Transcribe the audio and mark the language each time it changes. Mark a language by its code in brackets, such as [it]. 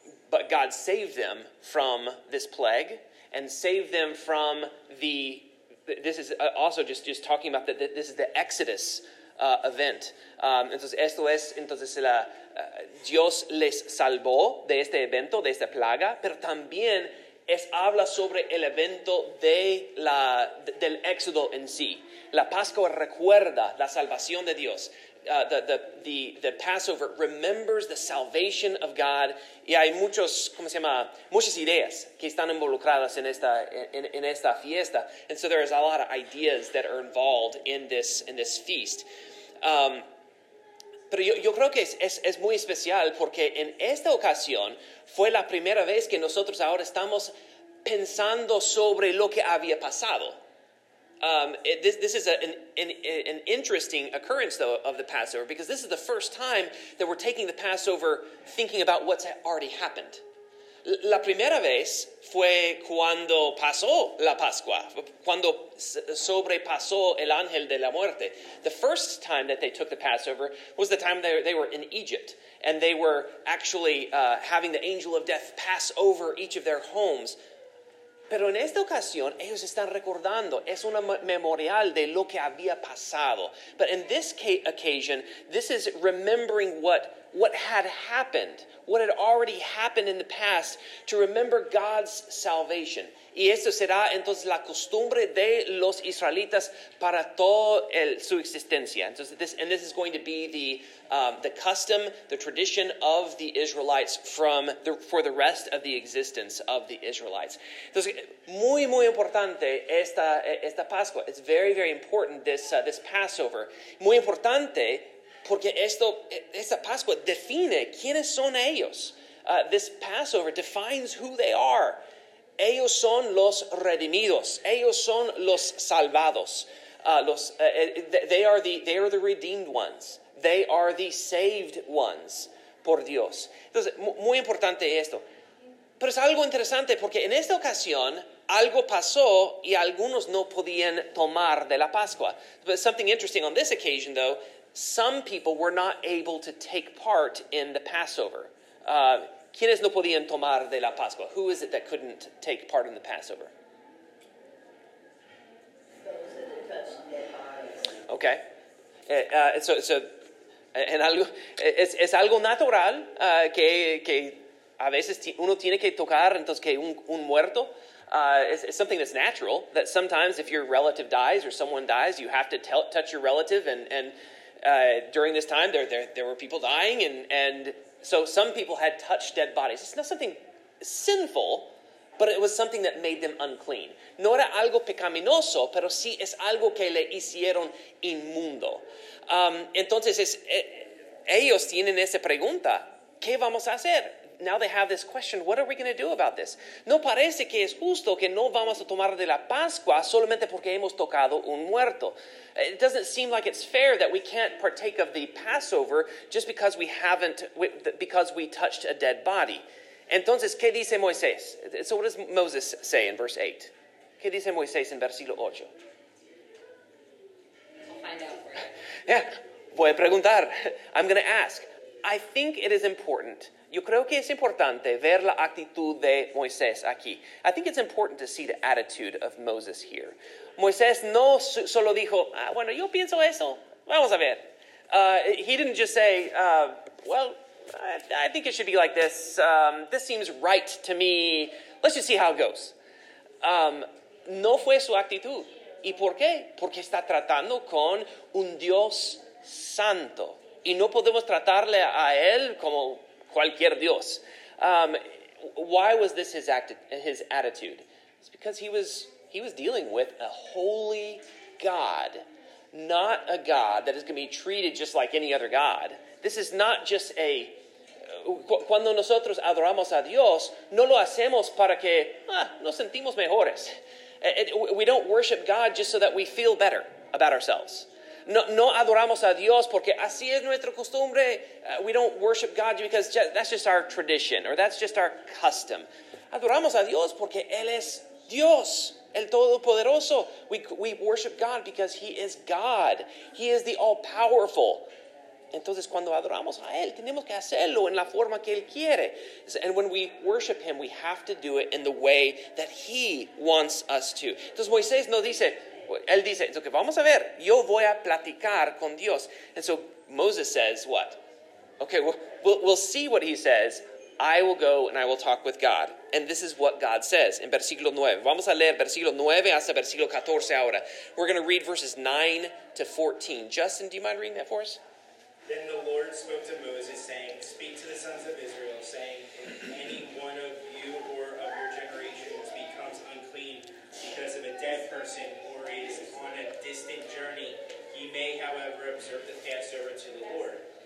[en] But God saved them from this plague and saved them from the, this is also just talking about that this is the Exodus event. [es] Entonces esto es, entonces la Dios les salvó de este evento, de esta plaga, pero también es habla sobre el evento de la del éxodo en sí. La Pascua recuerda la salvación de Dios. [en] The Passover remembers the salvation of God. [es] Y hay muchos, ¿cómo se llama? Muchas ideas que están involucradas en esta en esta fiesta. [en] And so there is a lot of ideas that are involved in this feast. [es] Pero yo creo que es muy especial porque en esta ocasión fue la primera vez que nosotros ahora estamos pensando sobre lo que había pasado. [en] This is an interesting occurrence, though, of the Passover, because this is the first time that we're taking the Passover thinking about what's already happened. [es] La primera vez fue cuando pasó la Pascua, cuando sobrepasó el ángel de la muerte. [en] The first time that they took the Passover was the time they were in Egypt, and they were actually having the angel of death pass over each of their homes. [es] Pero en esta ocasión, ellos están recordando, es una memorial de lo que había pasado. [en] But in this occasion, this is remembering what had happened, what had already happened in the past, to remember God's salvation. [es] Y esto será entonces la costumbre de los israelitas para toda su existencia. [en] And this is going to be the custom, the tradition of the Israelites for the rest of the existence of the Israelites. [es] Entonces, muy, muy importante esta Pascua. [en] It's very, very important, this Passover. [es] Muy importante porque esta Pascua define quiénes son ellos. [en] This Passover defines who they are. [es] Ellos son los redimidos. Ellos son los salvados. [en] They are the redeemed ones. They are the saved ones [es] por Dios. Entonces, muy importante esto. Pero es algo interesante porque en esta ocasión algo pasó y algunos no podían tomar de la Pascua. [en] But something interesting on this occasion, though, some people were not able to take part in the Passover. [es] ¿Quiénes no podían tomar de la Pascua? [en] Who is it that couldn't take part in the Passover? Those that touched dead bodies. Okay. [es] Es algo natural que a veces uno tiene que tocar entonces que un muerto. [en] It's something that's natural, that sometimes if your relative dies or someone dies, you have to touch your relative. During this time, there were people dying, and so some people had touched dead bodies. It's not something sinful, but it was something that made them unclean. [es] No era algo pecaminoso, pero sí es algo que le hicieron inmundo. Entonces, ellos tienen esa pregunta, ¿qué vamos a hacer? [en] Now they have this question, what are we going to do about this? [es] No parece que es justo que no vamos a tomar de la Pascua solamente porque hemos tocado un muerto. [en] It doesn't seem like it's fair that we can't partake of the Passover just because we touched a dead body. [es] Entonces, ¿qué dice Moisés? [en] So what does Moses say in verse 8? [es] ¿Qué dice Moisés en versículo 8? [en] I'll find out for you. Yeah, [es] voy a preguntar. [en] I'm going to ask. I think it is important. [es] Yo creo que es importante ver la actitud de Moisés aquí. [en] I think it's important to see the attitude of Moses here. [es] Moisés no solo dijo, ah, bueno, yo pienso eso. Vamos a ver. [en] He didn't just say, well, I think it should be like this. This seems right to me. Let's just see how it goes. [es] No fue su actitud. ¿Y por qué? Porque está tratando con un Dios santo. Y no podemos tratarle a él como cualquier Dios. [en] Why was this his attitude? It's because he was dealing with a holy God, not a God that is going to be treated just like any other God. This is not just a... [es] Cuando nosotros adoramos a Dios, no lo hacemos para que nos sentimos mejores. [en] We don't worship God just so that we feel better about ourselves. [es] No adoramos a Dios porque así es nuestra costumbre. [en] We don't worship God because that's just our tradition or that's just our custom. [es] Adoramos a Dios porque Él es Dios, el Todopoderoso. [en] We worship God because He is God. He is the all-powerful. [es] Entonces, cuando adoramos a Él, tenemos que hacerlo en la forma que Él quiere. [en] And when we worship Him, we have to do it in the way that He wants us to. [es] Entonces, Moisés nos dice... Él dice, okay, vamos a ver, yo voy a platicar con Dios. [en] And so Moses says what? Okay, we'll see what he says. I will go and I will talk with God. And this is what God says in versículo 9. [es] Vamos a leer versículo 9 hasta versículo 14 ahora. [en] We're going to read verses 9 to 14. Justin, do you mind reading that for us? Then the Lord spoke to Moses saying, speak to the sons of Israel, saying, if any one of you or of your generations becomes unclean because of a dead person, is on a distant journey, he may, however, observe the Passover to the Lord.